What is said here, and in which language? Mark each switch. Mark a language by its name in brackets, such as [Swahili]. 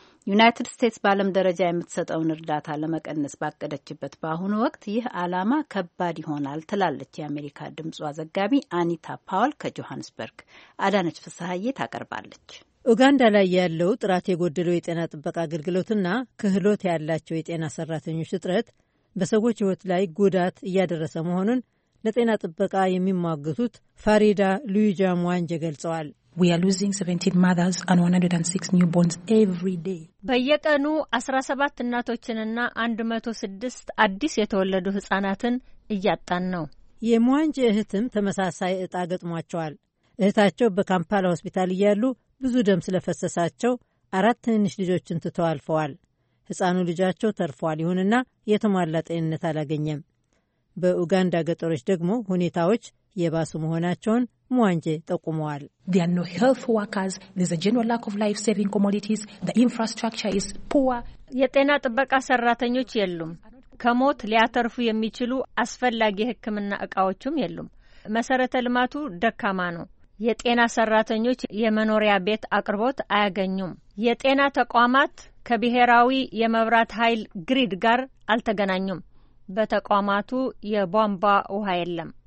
[Amharic] ዩናይትድ ስቴትስ በዓለም ደረጃ የምትሰጠውን እርዳታ ለመቀነስ ባቀደችበት በአሁኑ ወቅት ይህ ዓላማ ከባድ ይሆናል ትላለች የአሜሪካ ድምጽ ዘጋቢ አኒታ ፓውል ከጆሃንስበርግ። አዳነች ፍሳሐዬ ታቀርባለች። ኡጋንዳ ላይ ያለው ጥራት የጎደለው የጤና ጥበቃ አገልግሎትና ክህሎት ያላቸው የጤና ሰራተኞች እጥረት በሰዎች ህይወት ላይ ጉዳት እያደረሰ መሆኑን ለጤና ጥበቃ የሚሟገቱት ፋሪዳ ሉዊጃ ሙዋንጀ ገልጸዋል። [English] We are losing 17 mothers and 106 newborns every day. [Amharic] በየቀኑ 17 እናቶችንና 106 አዲስ የተወለዱ ህጻናትን እያጣን ነው። የሙዋንጀ እህትም ተመሳሳይ እጣ ገጥሟቸዋል። እህታቸው በካምፓላ ሆስፒታል እያሉ ብዙ ደም ስለፈሰሳቸው አራት ትንሽ ልጆችን ትተው አልፈዋል። ህፃኑ ልጃቸው ተርፏል፣ ይሁንና የተሟላ ጤንነት አላገኘም። በኡጋንዳ ገጠሮች ደግሞ ሁኔታዎች የባሱ መሆናቸውን ሙዋንጄ ጠቁመዋል። [English] There are no health workers. There's a general lack of life-saving commodities. The infrastructure is poor. [Amharic] የጤና ጥበቃ ሰራተኞች የሉም። ከሞት ሊያተርፉ የሚችሉ አስፈላጊ ህክምና እቃዎችም የሉም። መሰረተ ልማቱ ደካማ ነው። የጤና ሰራተኞች የመኖሪያ ቤት አቅርቦት አያገኙም። የጤና ተቋማት ከብሔራዊ የመብራት ኃይል ግሪድ ጋር አልተገናኙም። በተቋማቱ የቧንቧ ውሃ የለም።